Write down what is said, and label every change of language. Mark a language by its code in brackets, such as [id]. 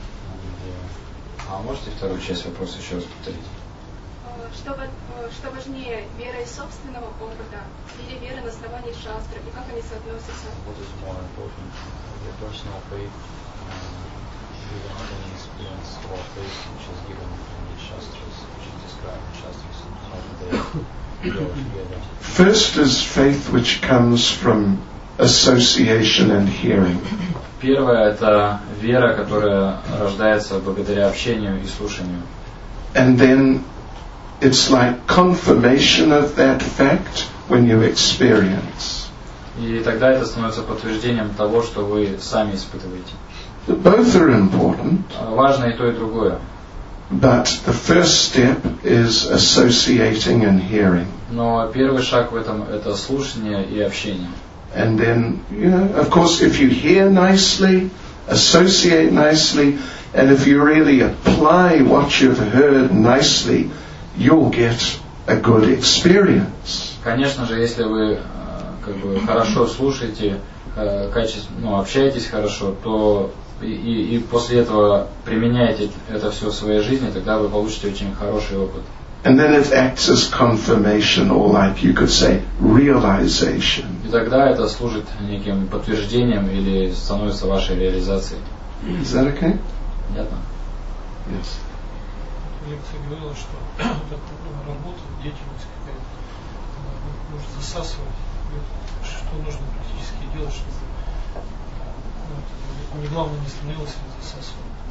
[ru] And, можете вторую часть вопроса еще раз повторить? что важнее, вера из собственного опыта или вера на основании шастры, и как они соотносятся? [en] What is more important, your personal faith, given any experience or faith which is given in the shastras, which is described in shastras, how do they go together? First is faith which comes from association and hearing. [ru] Первое – это вера, которая рождается благодаря общению и слушанию. [en] And then it's like confirmation of that fact when you experience. [ru] И тогда это становится подтверждением того, что вы сами испытываете. [en] Both are important. [ru] Важно и то, и другое. [en] But the first step is associating and hearing. [ru] Но первый шаг в этом – это слушание и общение. [en] And then, you know, of course, if you hear nicely, associate nicely, and if you really apply what you've heard nicely, you'll get a good experience. [ru] Конечно же, если вы как бы хорошо слушаете, качественно, ну, общаетесь хорошо, то и после этого применяете это все в своей жизни, тогда вы получите очень хороший опыт. [en] And then it acts as confirmation, or like you could say, realization. [ru] И тогда это служит неким подтверждением или становится вашей реализацией. [en] Is that okay? [ru] Понятно. [en] Yes. [ru] В лекции говорилось, что работа, деятельность какая-то может засасывать. Что нужно практически делать, чтобы не главное не становилось это засасывать.